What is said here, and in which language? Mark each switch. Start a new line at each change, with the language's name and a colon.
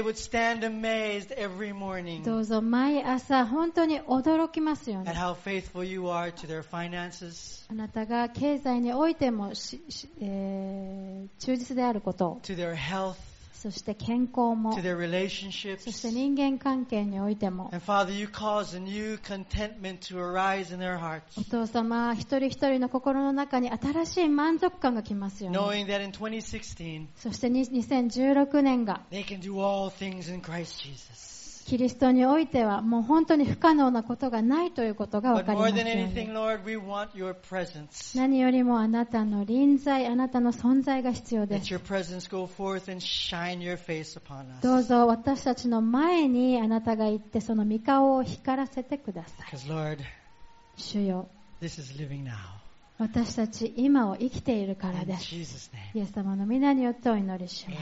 Japanese: どうぞ毎朝本当に驚きますように。あなたが経済においても忠実であること。そして健康も。そして人間関係においても。
English: And Father, you cause a new contentment to arise in their hearts.
Japanese: お父様、一人一人の心の中に新しい満足感が来ますように。
English: Knowing that in 2016,
Japanese: そして2016年が、
English: they can do all things in Christ Jesus.
Japanese: キリストにおいてはもう本当に不可能なことがないということが分かりますように。
English: But more than anything, Lord, we want your presence.
Japanese: 何よりもあなたの臨在、あなたの存在が必要です。
English: Let your presence go forth and shine your face upon us.
Japanese: どうぞ私たちの前にあなたが行ってその御顔を光らせてください。
English: Because Lord,
Japanese: 主よ、
English: this is living now.
Japanese: 私たち今を生きているからです。
English: In Jesus' name.
Japanese: イエス様の御名によってお祈りします。